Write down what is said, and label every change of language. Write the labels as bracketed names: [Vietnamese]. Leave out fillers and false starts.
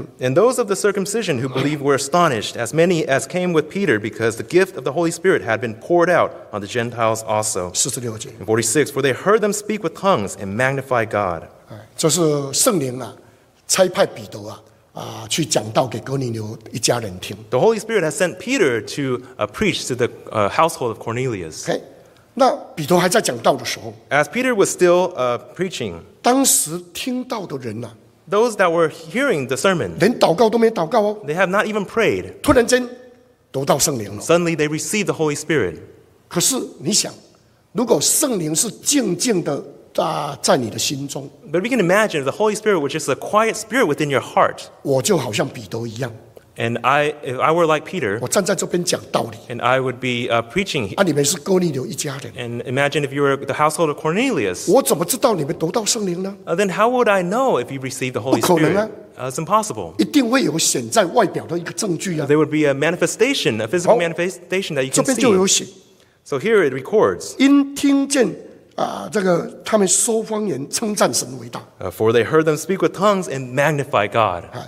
[English] And those of the circumcision who believed were astonished, as many as came with Peter, because the gift of the Holy Spirit had been poured out on the Gentiles also. 46. For they heard them speak with tongues and magnify God. [Chinese] 这是圣灵差派彼得去讲道给哥尼流一家人听。 [English] The Holy Spirit has sent Peter to preach to the household of Cornelius. Okay. [Chinese] 那彼得还在讲道的时候 [English] ，As Peter was still preaching， [Chinese] 当时听到的人 [English] ，Those that were hearing the sermon， [Chinese] 连祷告都没祷告哦 [English] ，They have not even prayed。 [Chinese] 突然间得到圣灵了 [English] ，Suddenly they received the Holy Spirit。 [Chinese] 可是你想，如果圣灵是静静的在你的心中 [English] ，But we can imagine if the Holy Spirit was just a quiet spirit within your heart， [Chinese] 我就好像彼得一样。 [English] And if I were like Peter, [Chinese] 我站在这边讲道理 [English] and I would be preaching. [Chinese] 你们是哥尼流一家人 [English] And imagine if you were the household of Cornelius. [Chinese] 我怎么知道你们得到圣灵呢 [English] Then how would I know if you received the Holy Spirit? [Chinese] 不可能啊 [English] It's impossible. [Chinese] 一定会有显在外表的一个证据啊 [English] There would be a manifestation, a physical manifestation that you can see. [Chinese] 这边就有写 [English] So here it records. [Chinese] 因听见这个他们说方言称赞神伟大 [English] For they heard them speak with tongues and magnify God.